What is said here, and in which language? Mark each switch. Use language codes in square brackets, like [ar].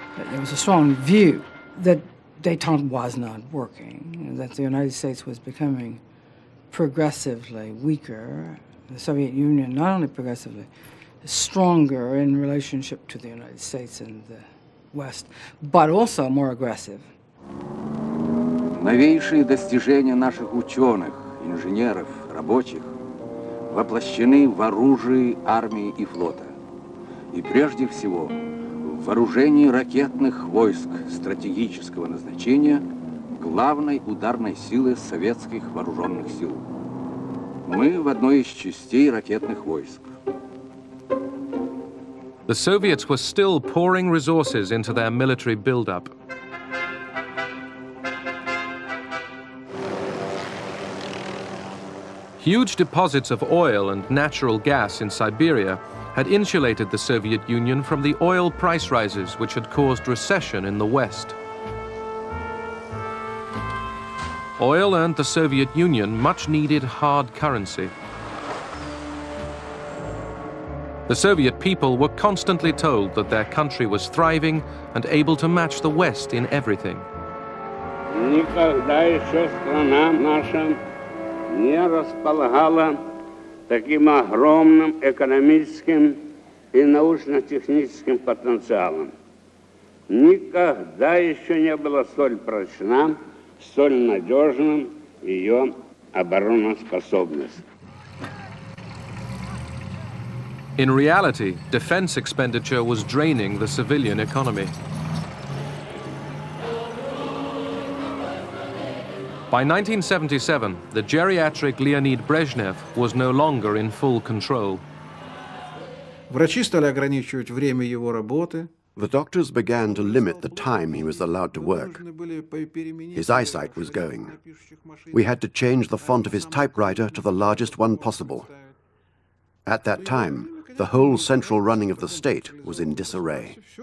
[en] There was a strong view that détente was not working, that the United States was becoming progressively weaker, the Soviet Union not only progressively stronger in relationship to the United States and the West, but also more aggressive. [ru] Новейшие достижения наших ученых, инженеров, рабочих воплощены в оружии армии и флота. И прежде всего, в вооружении ракетных войск стратегического назначения главной ударной силы советских вооруженных сил. Мы в одной из частей ракетных войск. [en] The Soviets were still pouring resources into their military build-up. Huge deposits of oil and natural gas in Siberia had insulated the Soviet Union from the oil price rises which had caused recession in the West. Oil earned the Soviet Union much-needed hard currency. The Soviet people were constantly told that their country was thriving and able to match the West in everything. [ru] Никогда еще страна наша не располагала таким огромным экономическим и научно-техническим потенциалом. Никогда еще не было столь прочна, столь надежным ее обороноспособность. [en] In reality, defense expenditure was draining the civilian economy. By 1977, the geriatric Leonid Brezhnev was no longer in full control. [ru] Врачи стали ограничивать время его работы. [en] The doctors began to limit the time he was allowed to work. His eyesight was going. We had to change the font of his typewriter to the largest one possible. At that time, the whole central running of the state was in disarray.